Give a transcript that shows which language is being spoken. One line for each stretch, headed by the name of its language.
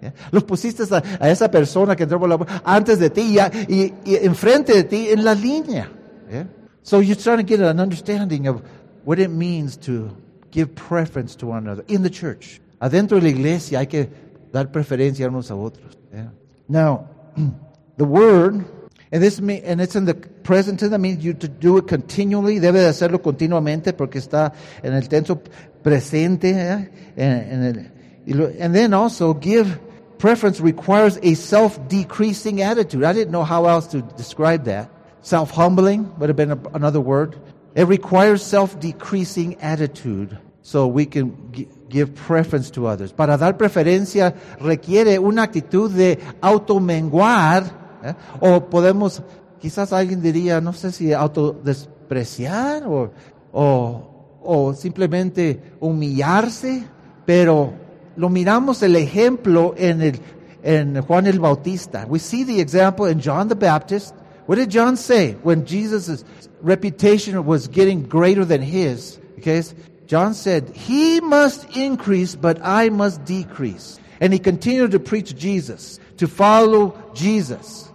Spanish: Los pusiste a esa persona que entró por la puerta antes de ti y enfrente de ti en la línea.
English: Yeah? So you're trying to get an understanding of what it means to give preference to one another in the church.
Spanish: Adentro de la iglesia hay que dar preferencia unos a otros.
English: Yeah? Now, the word, and it's in the present tense, that means you to do it continually.
Spanish: Debe de hacerlo continuamente porque está en el tenso presente, yeah?
English: And then also give preference requires a self-decreasing attitude. I didn't know how else to describe that. Self-humbling would have been another word. It requires self-decreasing attitude so we can give preference to others.
Spanish: Para dar preferencia requiere una actitud de automenguar, yeah? O podemos, quizás alguien diría, no sé si autodespreciar o simplemente humillarse, pero lo miramos el ejemplo en Juan el Bautista.
English: We see the example in John the Baptist. What did John say when Jesus' reputation was getting greater than his? Okay, John said, he must increase, but I must decrease. And he continued to preach Jesus, to follow Jesus.